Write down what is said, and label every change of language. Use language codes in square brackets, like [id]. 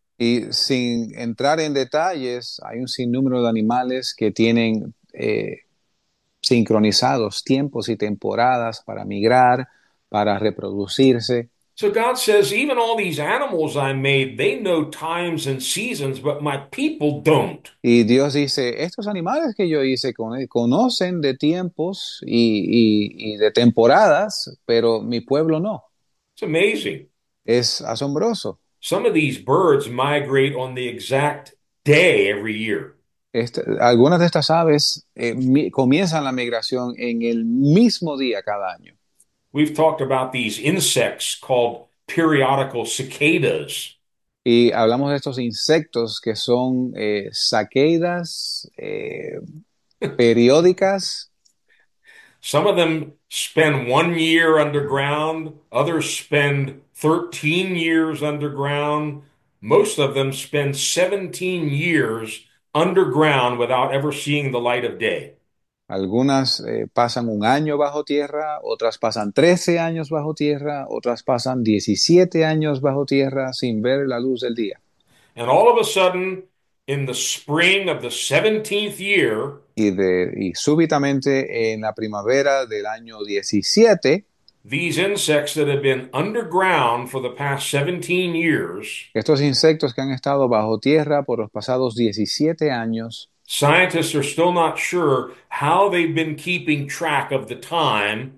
[es] Y sin entrar en detalles, hay un sinnúmero de animales que tienen sincronizados tiempos y temporadas para migrar, para reproducirse. [en] So God says, even all these animals I made, they know times and seasons, but my people don't. [es] Y Dios dice, estos animales que yo hice conocen de tiempos y de temporadas, pero mi pueblo no. [en] It's amazing. [es] Es asombroso. [en] Some of these birds migrate on the exact day every year. [es] Algunas de estas aves comienzan la migración en el mismo día cada año. [en] We've talked about these insects called periodical cicadas. [es] Y hablamos de estos insectos que son saqueadas periódicas. [en] Some of them spend 1 year underground, others spend 13 years underground. Most of them spend 17 years underground without ever seeing the light of day. [es] Algunas pasan un año bajo tierra, otras pasan 13 años bajo tierra, otras pasan 17 años bajo tierra sin ver la luz del día. [en] And all of a sudden, in the spring of the 17th year, [es] Y súbitamente en la primavera del año 17, [en] these insects that have been underground for the past 17 years, [es] estos insectos que han estado bajo tierra por los pasados 17 años, [en] scientists are still not sure how they've been keeping track of the time.